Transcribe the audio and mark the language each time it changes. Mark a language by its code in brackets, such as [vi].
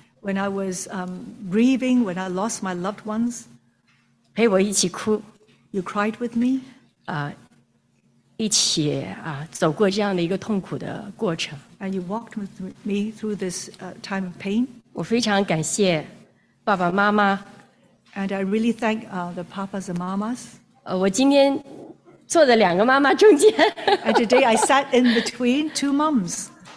[en] when I was grieving, when I lost my loved ones, [zh] 陪我一起哭， [en] you cried with me, [zh] 一起走过这样的一个痛苦的过程， [en] and you walked with me through this time of pain. [zh] 我非常感谢爸爸妈妈， [en] and I really thank the papas and mamas. [zh] 我今天坐在两个妈妈中间， [en] and today I sat in between two moms.